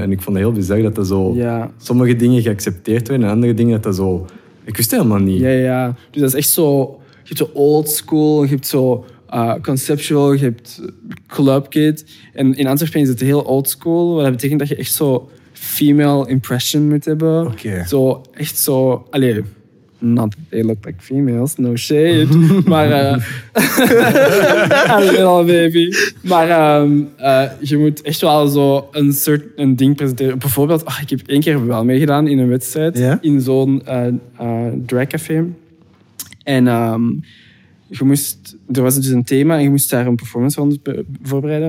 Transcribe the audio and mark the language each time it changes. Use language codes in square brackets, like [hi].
[nl] En ik vond het heel bizar dat er zo sommige dingen geaccepteerd werden en andere dingen dat zo... Ik wist helemaal niet. Ja. Dus dat is echt zo... Je hebt zo old school, je hebt zo conceptual, je hebt club kid. En in Antwerpen is het heel old school. Wat dat betekent dat je echt zo female impression moet hebben. Okay. Zo echt zo... [en] Allee, not that they look like females, no shade. Maar a little baby. [nl] Maar je moet echt wel zo een ding presenteren. Bijvoorbeeld, ik heb één keer wel meegedaan in een wedstrijd. [en] Yeah? [nl] In zo'n dragcafé. En er was dus een thema en je moest daar een performance rond voorbereiden.